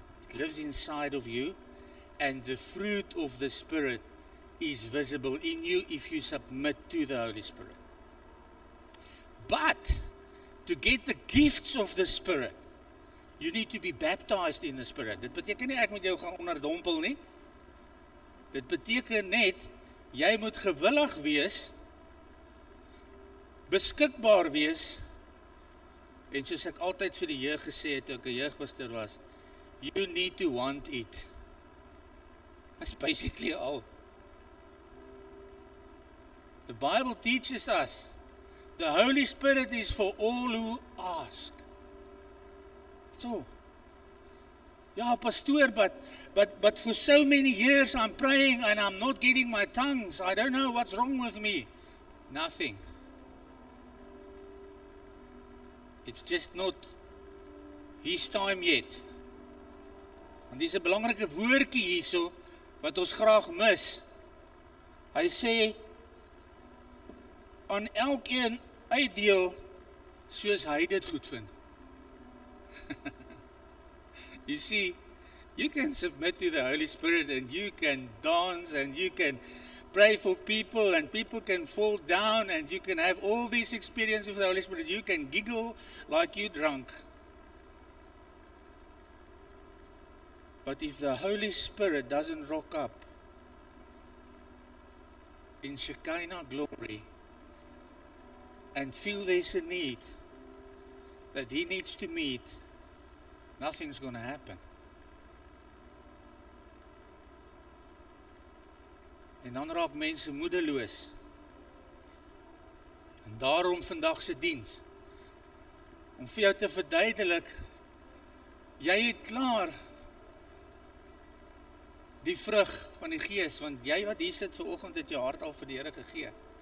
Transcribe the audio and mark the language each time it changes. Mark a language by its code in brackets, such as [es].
[en] It lives inside of you. And the fruit of the Spirit is visible in you if you submit to the Holy Spirit. But to get the gifts of the Spirit, you need to be baptized in the Spirit. [af] Dit beteken nie ek moet jou gaan onderdompel nie. Dit beteken net, jy moet gewillig wees, beskikbaar wees, en soos ek altyd vir die jeug gesê het, toe ek 'n jeugpastoor was, [en] you need to want it. That's basically all. The Bible teaches us, the Holy Spirit is for all who ask. So, [af] ja, pastoor, [en] but for so many years I'm praying and I'm not getting my tongues. I don't know what's wrong with me. Nothing. It's just not his time yet. [af] En dis 'n belangrike woordjie hierso wat ons graag mis. Hy sê, aan elkeen uitdeel soos hy dit goed vind. [en] You see, you can submit to the Holy Spirit and you can dance and you can pray for people and people can fall down and you can have all these experiences with the Holy Spirit. You can giggle like you're drunk. But if the Holy Spirit doesn't rock up in Shekinah glory, and feel there's a need that he needs to meet, nothing's going to happen. [af] En dan raak mense moedeloos. En daarom vandag se diens, om vir jou te verduidelik, jy het klaar die vrug van die Gees, want jy wat hier sit vanoggend het jou hart al vir die Here gegee.